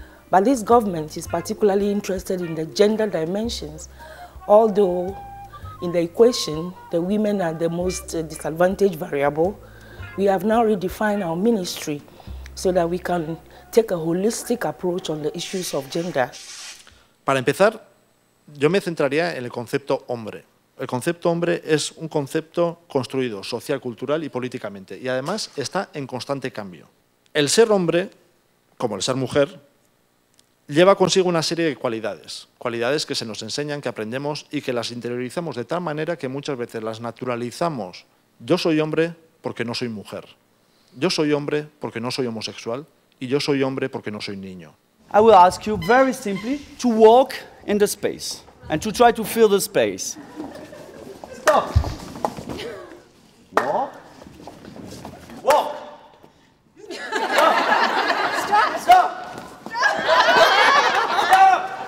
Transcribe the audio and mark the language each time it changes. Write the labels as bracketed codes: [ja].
[en] But this government is particularly interested in the gender dimensions, although in the equation, the women are the most disadvantaged variable. We have now redefined our ministry so that we can take a holistic approach on the issues of gender. [es] Para empezar, yo me centraría en el concepto hombre. El concepto hombre es un concepto construido social, cultural y políticamente, y además está en constante cambio. El ser hombre, como el ser mujer, lleva consigo una serie de cualidades, cualidades que se nos enseñan, que aprendemos y que las interiorizamos de tal manera que muchas veces las naturalizamos. Yo soy hombre porque no soy mujer. Yo soy hombre porque no soy homosexual y yo soy hombre porque no soy niño. [en] I will ask you very simply to walk in the space and to try to fill the space. Stop. Walk. Walk. Stop. Stop. Stop.